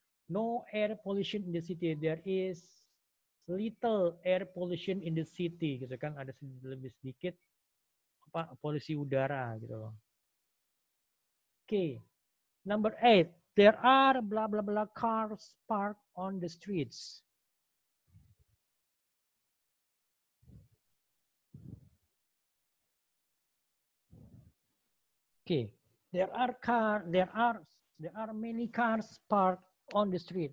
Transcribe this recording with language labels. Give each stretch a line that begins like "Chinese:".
English: no air pollution in the city. There is little air pollution in the city, gitu kan?
Indonesian: Ada lebih sedikit apa polusi udara gitu.
English: Okay, number eight. There are blah blah blah cars parked on the streets. Okay, there are many cars parked on the street.